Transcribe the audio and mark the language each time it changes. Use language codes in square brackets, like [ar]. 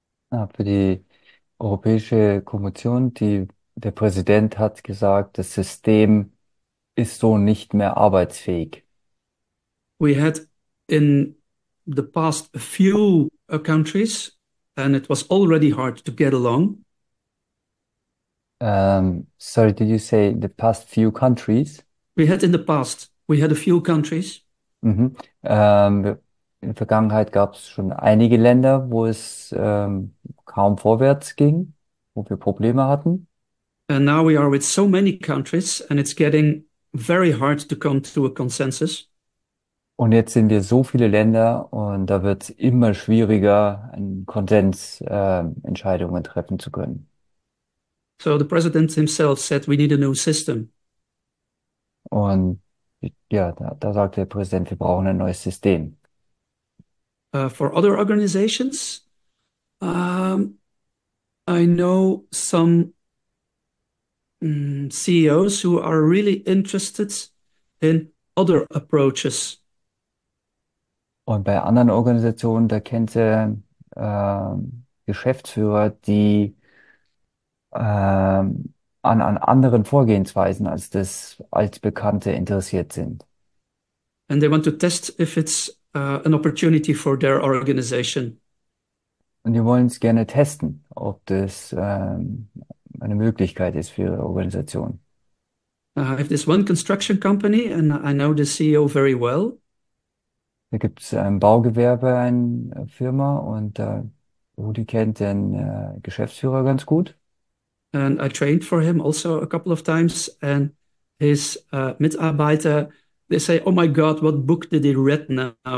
[de] Für die Europäische Kommission, der Präsident hat gesagt, das System ist so nicht mehr arbeitsfähig. [en] We had in the past a few countries. And it was already hard to get along. Sorry, did you say in the past few countries? We had a few countries. [de] In der Vergangenheit gab es schon einige Länder, wo es kaum vorwärts ging, wo wir Probleme hatten. [en] And now we are with so many countries, and it's getting very hard to come to a consensus. [de] Und jetzt sind wir so viele Länder, und da wird es immer schwieriger, einen Konsens Entscheidungen treffen zu können. [en] So the president himself said we need a new system. [de] Und ja, da sagt der Präsident, wir brauchen ein neues System. [en] For other organizations, I know some CEOs who are really interested in other approaches. [de] Und bei anderen Organisationen, da kennt ihr Geschäftsführer, die an anderen Vorgehensweisen als das Altbekannte interessiert sind. [en] And they want to test if it's an opportunity for their organization. [de] Und die wollen es gerne testen, ob das eine Möglichkeit ist für ihre Organisation. [en] If this one construction company, and I know the CEO very well. [de] Da gibt es ein Baugewerbe, eine Firma, und Rudi kennt den Geschäftsführer ganz gut. [en] And I trained for him also a couple of times, and his Mitarbeiter. They say, "Oh my God, what book did he read now?